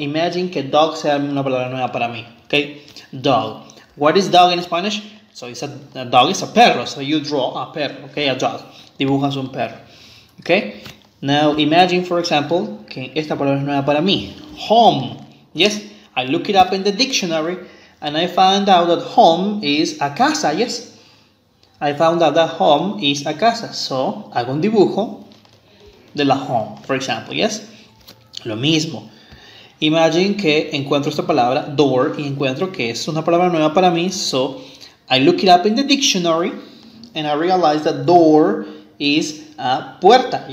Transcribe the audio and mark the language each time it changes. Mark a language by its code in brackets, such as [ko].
[es] Imagine que dog sea una palabra nueva para mí. [en] Okay? Dog. What is dog in Spanish? So it's a dog is a perro. So you draw a perro. Okay? A dog. [es] Dibujas un perro. [en] Okay? Now, imagine, for example, [es] que esta palabra es nueva para mí. [en] Home. Yes, I look it up in the dictionary, and I found out that home is a casa. Yes, I found out that home is a casa. [es] So, hago un dibujo de la home, [en] for example. [es] Yes, lo mismo. Imagine que encuentro esta palabra, door, y encuentro que es una palabra nueva para mí. [en] So, I look it up in the dictionary, and I realize that door is a puerta.